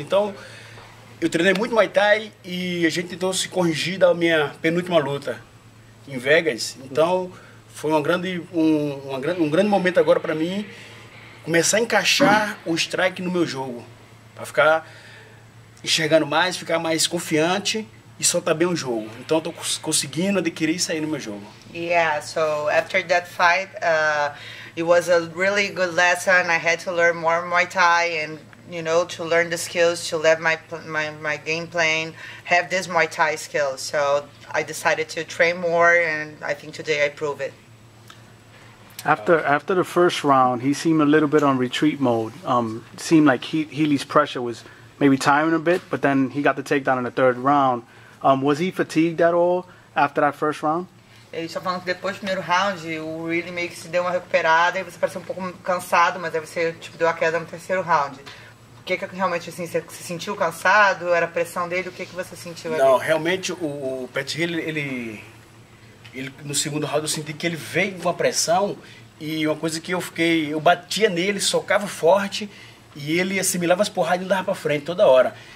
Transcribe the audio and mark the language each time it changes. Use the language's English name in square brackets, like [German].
[Portuguese] Então, eu treinei muito Muay Thai e a gente tentou se corrigir da minha penúltima luta em Vegas. Então, foi um grande momento agora para mim. Começar a encaixar o strike no meu jogo, para ficar enxergando mais, ficar mais confiante e soltar bem o jogo. Então eu tô conseguindo adquirir isso aí no meu jogo. [English] Yeah, so after that fight, it was a really good lesson. I had to learn more Muay Thai and, you know, to learn the skills, to let my game plan have this Muay Thai skills. So I decided to train more and I think today I prove it. After the first round, he seemed a little bit on retreat mode. Seemed like Healy's pressure was maybe tiring a bit, but then he got the takedown in the third round. Was he fatigued at all after that first round? [Portuguese] Ele só falando que depois do primeiro round, o Healy meio que se deu uma recuperada e você pareceu um pouco cansado, mas aí você tipo, deu a queda no terceiro round. O que que realmente assim, você se sentiu cansado? Era a pressão dele? O que que você sentiu ali? Não, realmente o Pat Healy, ele, no segundo round eu senti que ele veio com uma pressão e uma coisa que eu batia nele, socava forte e ele assimilava as porradas e não dava pra frente toda hora.